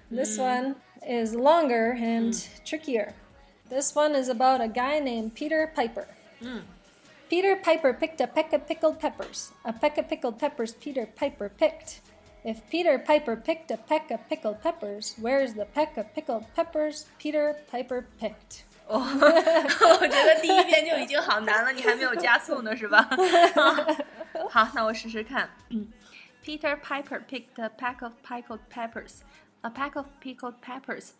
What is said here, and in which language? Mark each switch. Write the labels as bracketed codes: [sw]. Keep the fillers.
[en] this one is longer and trickier. This one is about a guy named Peter Piper. Peter Piper picked a peck of pickled peppers. A peck of pickled peppers Peter Piper picked. If Peter Piper picked a peck of pickled peppers, where's the peck of pickled peppers, of pickled peppers? Peter Piper picked? [zh] Oh, 我觉得第一遍就已经好难了，你还没有加速呢，是吧？好，那我试试看。 [en] Peter Piper picked a pack of pickled peppers. A pack of pickled peppers.